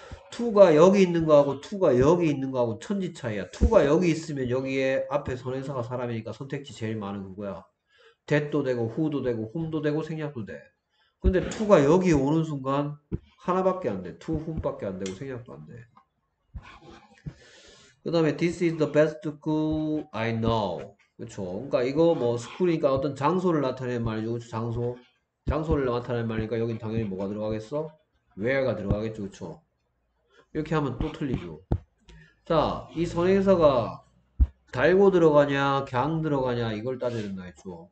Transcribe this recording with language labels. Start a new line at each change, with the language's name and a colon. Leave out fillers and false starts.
Korean: 2가 여기 있는 거하고 2가 여기 있는 거하고 천지 차이야. 2가 여기 있으면 여기에 앞에 선행사가 사람이니까 선택지 제일 많은 그거야. that도 되고 who도 되고 whom도 되고 생략도 돼. 근데 2가 여기 오는 순간 하나밖에 안 돼. to whom밖에 안 되고 생략도 안 돼. 그다음에
English: this is the best school I know.
Korean: 그쵸. 그러니까 이거 뭐 스쿨이니까 어떤 장소를 나타내는 말이죠. 장소. 장소를 나타내는 말이니까 여긴 당연히 뭐가 들어가겠어? where가 들어가겠죠. 그쵸. 이렇게 하면 또 틀리죠. 자, 이 선행사가 달고 들어가냐, 걍 들어가냐 이걸 따지는다 했죠.